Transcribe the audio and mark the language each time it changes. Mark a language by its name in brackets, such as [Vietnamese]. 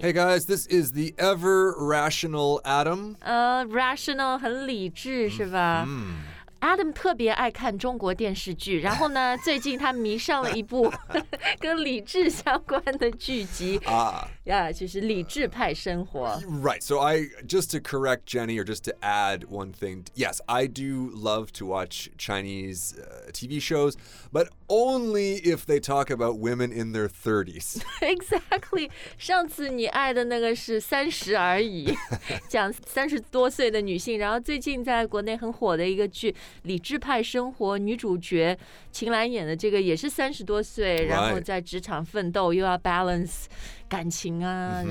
[English] Hey guys, this is the ever rational Adam. [Chinese] Rational 很理智是吧？ Adam 特别爱看中国电视剧，然后呢，最近他迷上了一部跟理智相关的剧集啊，就是《理智派生活》。 [English] Right, so I just to correct Jenny or just to add one thing, yes, I do love to watch Chinese TV shows, but only if they talk about women in their 30s. Exactly. [Chinese] 上次你爱的那个是《三十而已》，讲三十多岁的女性，然后最近在国内很火的一个剧。理智派生活女主角秦岚演的这个也是三十多岁、 [English] right. [Chinese] 然后在职场奋斗又要 balance 感情啊、mm-hmm.